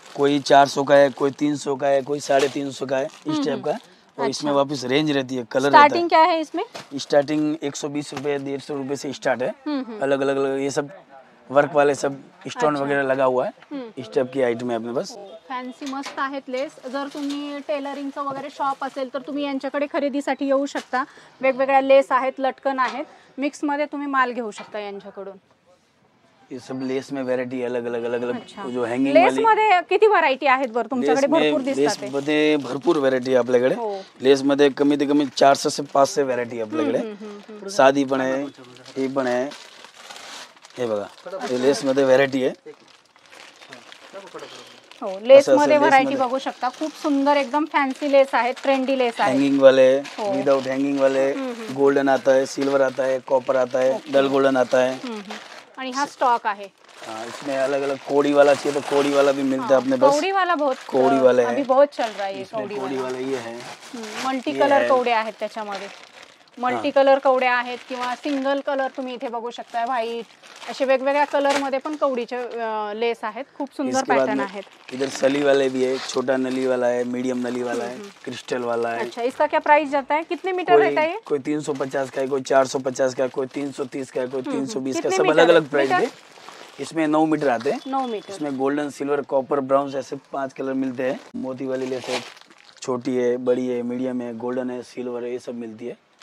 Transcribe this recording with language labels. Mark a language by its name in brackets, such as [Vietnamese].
[Hindi] कोई 400 का है, कोई 300 का है, कोई 350 का है, इस टाइप का। और इसमें वापस रेंज रहती है, कलर। स्टार्टिंग क्या है इसमें? स्टार्टिंग 120-150 रुपए से स्टार्ट है, अलग अलग अलग। ये सब वर्क वाले सब स्टोन वगैरह लगा हुआ है, इस टाइप की आइटम है अपने पास। [Marathi] फैंसी मस्त आहेत लेस। जर तुम्ही टेलरिंगचं वगैरे शॉप असेल तर तुम्ही यांच्याकडे खरेदीसाठी येऊ शकता। वेगवेगळ्या लेस आहेत, लटकन आहेत, मिक्स मध्ये तुम्ही माल घेऊ शकता यांच्याकडून। [Hindi] ये सब लेस में वैरायटी अलग अलग अलग अलग। अच्छा। जो हँगिंग [Marathi] लेस मध्ये किती वैरायटी आहेत बर तुमच्याकडे? भरपूर दिसतात लेस मध्ये, भरपूर वैरायटी आहे आपल्याकडे लेस मध्ये। कमीत कमी 400-500 वैरायटी आहे आपल्याकडे। साधी पण आहे, ही पण आहे, हे बघा, लेस मध्ये वैरायटी आहे। हो, लेस मध्ये व्हरायटी बघू शकता, खूप सुंदर, एकदम फॅन्सी लेस आहेत, ट्रेंडी लेस आहेत। [Hindi] हँगिंग वाले, विदाउट हँगिंग वाले, गोल्डन आता है, सिल्वर आता है, कॉपर आता है, डल गोल्डन आता है। [Marathi] आणि हा स्टॉक आहे। [Hindi] हां, इसमें अलग अलग कोड़ी वाला चाहिए तो कोड़ी वाला भी मिलता है अपने पास। कोड़ी वाला बहुत, कोड़ी वाले अभी बहुत चल रहा है, ये कोड़ी वाला ये है। [Marathi] मल्टी कलर कोड़े आहेत त्याच्यामध्ये, मल्टी कलर कवड्या आहेत किंवा सिंगल कलर तुम्ही इथे बघू शकता, व्हाईट, असे वेगवेगळ्या कलर मध्ये पण कवडीचे लेस आहेत, खूप सुंदर पॅटर्न आहेत। [Hindi] इधर सली वाले भी है, छोटा नली वाला है, मीडियम नली वाला है, क्रिस्टल वाला है। अच्छा, इसका क्या प्राइस जाता है, कितने मीटर रहता है? कोई 350 का है, कोई 450 का है, कोई 330 का है, कोई 320 का, सब अलग अलग प्राइस है। इसमें 9 मीटर आते हैं, 9 मीटर। इसमें गोल्डन, सिल्वर, कॉपर, ब्राउन्स, ऐसे 5 कलर मिलते हैं। मोती वाली लेस छोटी है, बड़ी है, मीडियम है, गोल्डन है, सिल्वर है, ये सब मिलती है।